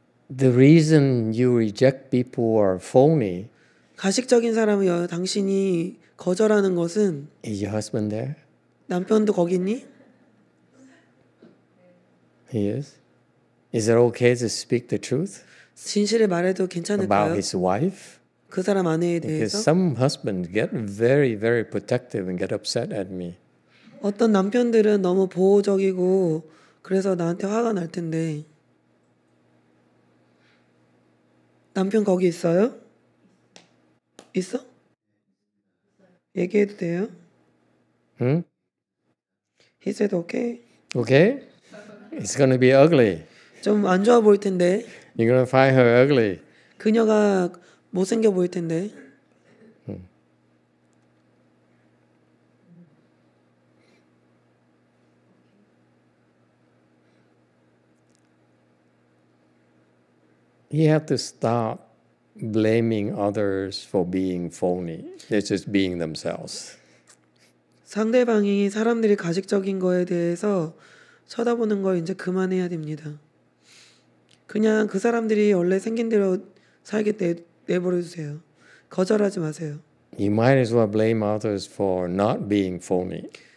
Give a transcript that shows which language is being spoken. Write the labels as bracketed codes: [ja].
[en] The reason you reject people are phony. [ko] 가식적인 사람을 당신이 거절하는 것은 [en] Is your husband there? [ko] 남편도 거기 있니? [en] He is. Is it okay to speak the truth? [ko] 진실을 말해도 괜찮을까요? [en] About his wife? [ko] 그 사람 아내에 대해서? [en] Because some husbands get very, very protective and get upset at me. [ko] 어떤 남편들은 너무 보호적이고 그래서 나한테 화가 날 텐데. 남편 거기 있어요? 있어? 얘기해도 돼요? 응? [en] He said okay. Okay? It's gonna be ugly. [ko] 좀 안 좋아 보일 텐데. [en] You're gonna find her ugly. [ko] 그녀가 못생겨 보일 텐데. [en] He had to stop blaming others for being phony. They're just being themselves. [ko] 상대방이 사람들이 가식적인 거에 대해서 쳐다보는 걸 이제 그만해야 됩니다. 그냥 그 사람들이 원래 생긴 대로 살게 내버려주세요. 거절하지 마세요. [en] You might as well blame others for not being phony.